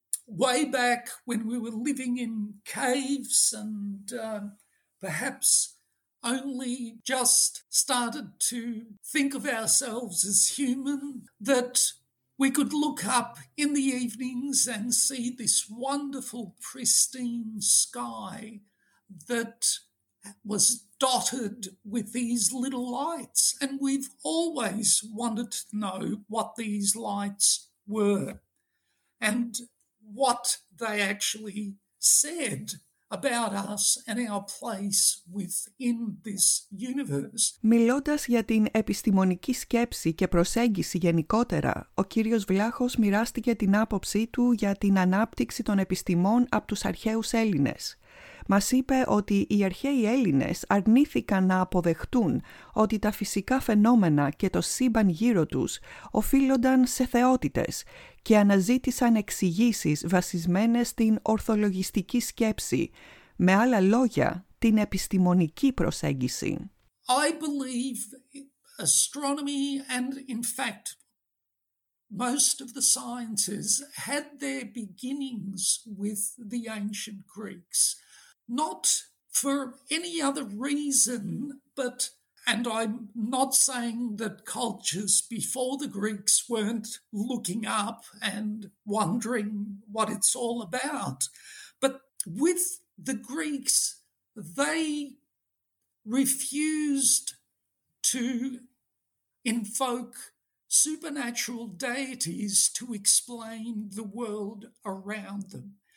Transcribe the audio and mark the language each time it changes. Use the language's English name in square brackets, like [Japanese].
[English] way back when we were living in caves and perhaps only just started to think of ourselves as human, that we could look up in the evenings and see this wonderful pristine sky that was dotted with these little lights. And we've always wanted to know what these lights were and what they actually said about us and our place within this universe. [Greek] Μιλώντας για την επιστημονική σκέψη και προσέγγιση γενικότερα, ο κύριος Βλάχος μοιράστηκε την άποψή του για την ανάπτυξη των επιστημών από τους αρχαίους Έλληνες. Μας είπε ότι οι αρχαίοι Έλληνες αρνήθηκαν να αποδεχτούν ότι τα φυσικά φαινόμενα και το σύμπαν γύρω τους οφείλονταν σε θεότητες και αναζήτησαν εξηγήσεις βασισμένες στην ορθολογιστική σκέψη, με άλλα λόγια, την επιστημονική προσέγγιση. [English] I believe astronomy and in fact most of the sciences had their beginnings with the ancient Greeks. Not for any other reason, but, and I'm not saying that cultures before the Greeks weren't looking up and wondering what it's all about, but with the Greeks, they refused to invoke supernatural deities to explain the world around them.